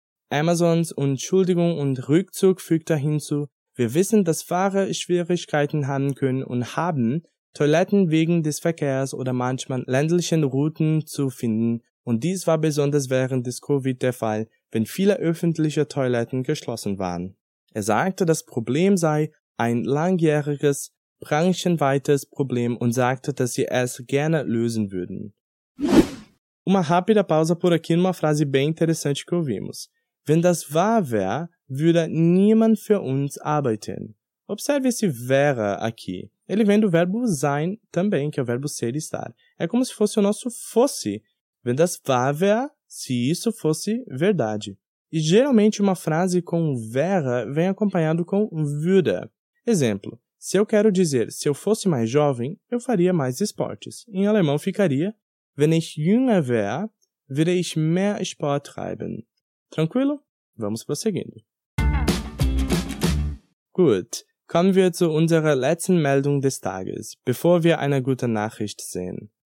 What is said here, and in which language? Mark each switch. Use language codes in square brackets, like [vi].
[de] Amazons Entschuldigung und Rückzug fügte hinzu, wir wissen, dass Fahrer Schwierigkeiten haben können und haben, Toiletten wegen des Verkehrs oder manchmal ländlichen Routen zu finden, und dies war besonders während des Covid der Fall, wenn viele öffentliche Toiletten geschlossen waren. Er sagte, das Problem sei ein langjähriges, branchenweites Problem und sagte, dass sie es gerne lösen würden. [pt] Uma rápida pausa por aqui numa frase bem interessante que ouvimos. [de] Wenn das wahr wäre, würde niemand für uns arbeiten. [pt] Observe esse wäre aqui. Ele vem do verbo sein também, que é o verbo ser e estar. É como se fosse o nosso fosse. [de] Wenn das wahr wäre, [pt] se isso fosse verdade. E geralmente uma frase com wäre vem acompanhado com würde. Exemplo, se eu quero dizer, se eu fosse mais jovem, eu faria mais esportes. Em alemão ficaria, [de] wenn ich jünger wäre, würde ich mehr Sport treiben. [pt] Tranquilo? Vamos prosseguindo. [de] Gut, kommen wir zu unserer letzten Meldung des Tages, bevor wir eine gute Nachricht sehen.